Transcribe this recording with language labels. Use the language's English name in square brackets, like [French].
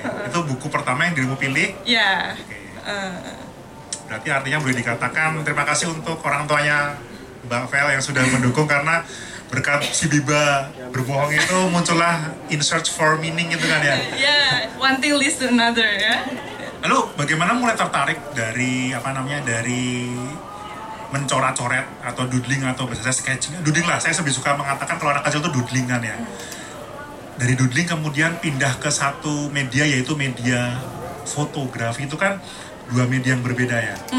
[Indonesian] Itu buku pertama yang dirimu pilih? Iya. Yeah. Oke. Okay. Berarti artinya boleh dikatakan terima kasih untuk orang tuanya Mbak Vel yang sudah mendukung karena berkat si Biba berbohong itu muncullah In Search for Meaning gitu kan ya? [English] Yeah, one thing leads to another ya. Yeah? [Indonesian] Lalu bagaimana mulai tertarik dari apa namanya dari mencoret-coret atau doodling atau biasanya sketching? Doodling lah, saya lebih suka mengatakan kalau anak kecil itu doodling kan ya. Dari doodling kemudian pindah ke satu media yaitu media fotografi itu kan dua media yang berbeda ya.